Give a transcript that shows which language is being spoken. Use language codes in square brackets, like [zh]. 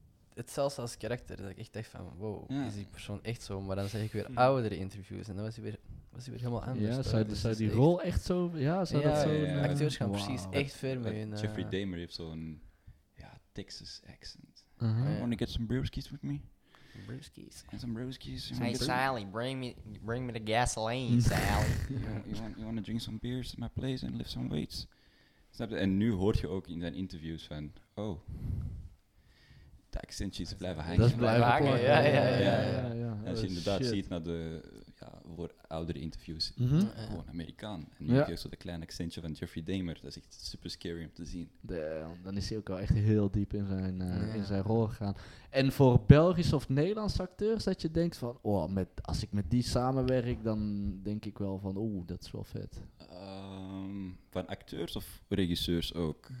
[nl] Hetzelfde als karakter, dat ik echt dacht van, wow, is die persoon echt zo? Maar dan zag ik weer oudere interviews en dan was hij weer helemaal anders. Ja, zou dus die echt... rol echt zo... Ja, zou ja, dat zo... Ja. Acteurs gaan precies echt ver met hun... Jeffrey Dahmer heeft zo'n Texas accent. [en] Want to get some brewskis with me? Brewskis. And some brewskis. Hey, Sally, bring me the gasoline, Sally. you want to drink some beers at my place and lift some weights? [nl] Snap je? En nu hoort je ook in zijn interviews van, oh, de accentjes blijven hangen. Dat is blijven hangen, ja. Als je inderdaad ziet naar de voor oudere interviews, gewoon Amerikaan. En nu heb je zo de kleine accentje van Jeffrey Dahmer. Dat is echt super scary om te zien. Dan is hij ook wel echt heel diep in zijn rol gegaan. En voor Belgische of Nederlandse acteurs, dat je denkt van, oh, als ik met die samenwerk, dan denk ik wel van, oeh, dat is wel vet. Van acteurs of regisseurs ook?